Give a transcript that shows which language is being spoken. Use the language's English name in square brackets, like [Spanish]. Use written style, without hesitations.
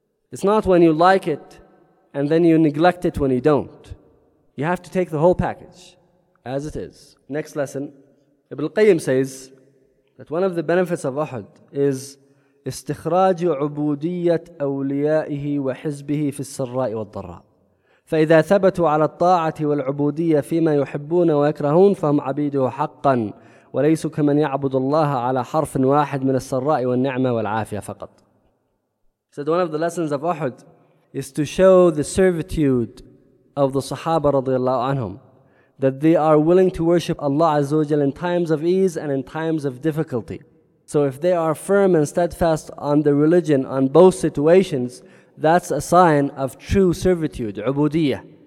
[English] It's not when you like it and then you neglect it when you don't. You have to take the whole package as it is. Next lesson. Ibn al-Qayyim says that one of the benefits of Uhud is [Arabic] استخراج عبودية أوليائه وحزبه في السراء والضراء. فإذا ثبتوا على الطاعة والعبودية فيما يحبون ويكرهون فهم عبيده حقا وليسوا كمن يعبد الله على حرف واحد من السراء والنعمة والعافية فقط. [English] Said one of the lessons of Uhud is to show the servitude of the Sahaba رضي الله عنهم, that they are willing to worship Allah عز وجل in times of ease and in times of difficulty. So if they are firm and steadfast on the religion, on both situations, that's a sign of true servitude, ubudiyyah.